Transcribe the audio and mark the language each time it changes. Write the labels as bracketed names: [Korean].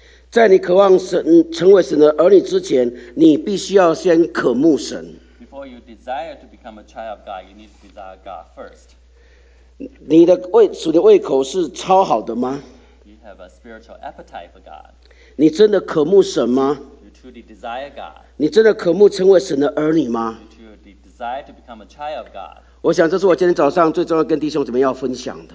[Chinese] 在你渴望神成为神的儿女之前，你必须要先渴慕神。 [English] Before you desire to become a child of God, you need to desire God first. [Chinese] 你的主的胃口是超好的吗？ [English] You have a spiritual appetite for God. [Chinese] 你真的渴慕神吗？ [English] You truly desire God. [Chinese] 你真的渴慕成为神的儿女吗？ [English] You truly desire to become a child of God. [Chinese] 我想这是我今天早上最重要跟弟兄姊妹要分享的。